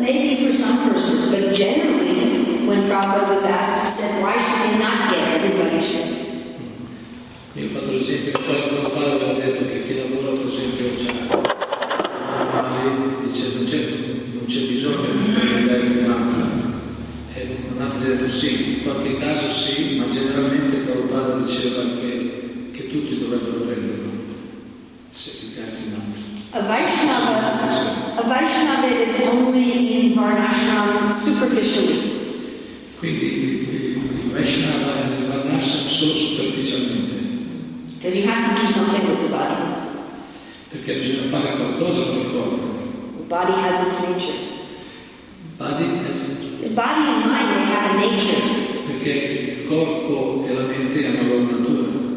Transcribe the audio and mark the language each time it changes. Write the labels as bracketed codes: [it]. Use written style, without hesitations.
[en] Maybe for some persons, but generally, when Prabhupada was asked, he said, why should they not get it? Everybody should. [it] Io ho fatto l'esempio, poi il Prabhupada ha detto che chi lavora, per esempio, dice, non c'è bisogno di Gayatri Mantra. E un altro ha detto sì, in qualche caso sì, ma generalmente Prabhupada diceva che tutti dovrebbero prenderlo. Se il Gayatri Mantra. [en] A Vaishnava is only in Varnashram superficially. [it] Quindi il Vaishnava è nel Varnashram solo superficialmente. [en] Because you have to do something with the body. [it] Perché bisogna fare qualcosa con il corpo. [en] The body has its nature. The body and mind, they have a nature. [it] Perché il corpo e la mente hanno la loro natura.